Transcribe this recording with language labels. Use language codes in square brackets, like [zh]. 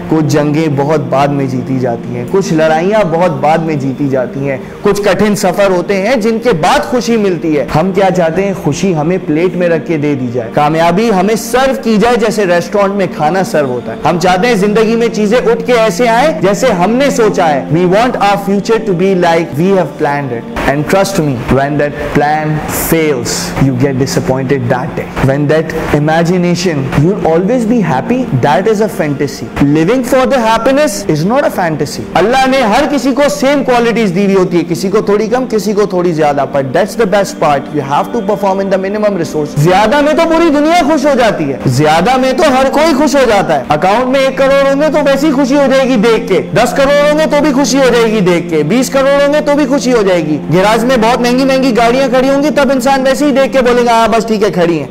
[ur] کچھ جنگیں بہت بعد میں جیتی جاتی ہیں, کچھ لڑائیاں بہت بعد میں جیتی جاتی ہیں, کچھ کٹھن سفر ہوتے ہیں جن کے بعد خوشی ملتی ہے. ہم کیا چاہتے ہیں؟ خوشی ہمیں پلیٹ میں رکھ کے دے دی جائے, کامیابی ہمیں سرو کی جائے جیسے ریسٹورینٹ میں کھانا سرو ہوتا ہے. ہم چاہتے ہیں زندگی میں چیزیں اٹھ کے ایسے آئیں جیسے ہم نے سوچا ہے. [en] We want our future to be like we have planned it. And trust me, when that plan fails, you get disappointed that day. When that imagination, you'll always be happy, that is a fantasy. Living for the happiness is not a fantasy. [ur] Allah نے ہر کسی کو [en] same qualities [ur] دی ہوئی ہوتی ہے, کسی کو تھوڑی کم, کسی کو تھوڑی زیادہ, [en] but that's the best part. You have to perform in the minimum resource. [ur] زیادہ میں تو پوری دنیا خوش ہو جاتی ہے, زیادہ میں تو ہر کوئی خوش ہو جاتا ہے. اکاؤنٹ میں 1 crore ہوں گے تو ویسی خوشی ہو جائے گی دیکھ کے, 10 crore ہوں گے تو بھی خوشی ہو جائے گی دیکھ کے, 20 crore ہوں گے تو بھی خوشی ہو جائے گی. گیراج میں بہت مہنگی مہنگی گاڑیاں کھڑی ہوں گی تب انسان ویسے ہی دیکھ کے بولے گا ہاں بس ٹھیک ہے کھڑی ہیں.